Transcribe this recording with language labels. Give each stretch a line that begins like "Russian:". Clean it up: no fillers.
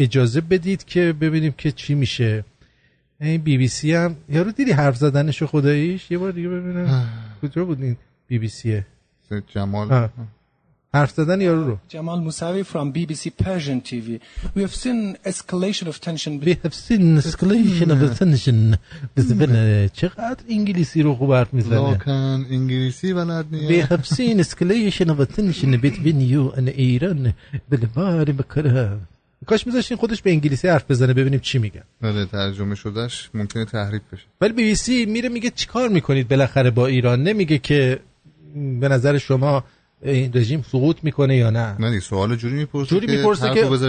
Persian: اجازه بدید که ببینیم که چی میشه. این بی بی سی هم یارو دیدی حرف زدنشو خداییش، یه بار دیگه ببینم کجا بود این بی بی سی جمال حرف زدن یارو رو.
English: Jamal Mousavi from BBC Persian TV. We have seen escalation of tension. We have seen escalation of tension.
Persian: چقدر انگلیسی رو خوب حرف میزنه. لاکن انگلیسی بلد نیست.
English: We have seen escalation of tension between you and Iran.
Persian: بلواری بکره. کاش میذاشتین خودش به انگلیسی حرف بزنه ببینیم چی میگن. بله ترجمه شدهش ممکنه تحریف بشه. ولی بی بی سی میره میگه چیکار میکنید بالاخره با ایران، نمیگه که به نظر شما این رژیم سقوط میکنه یا نه. نه سوال جوری میپرسه، جوری میپرسه که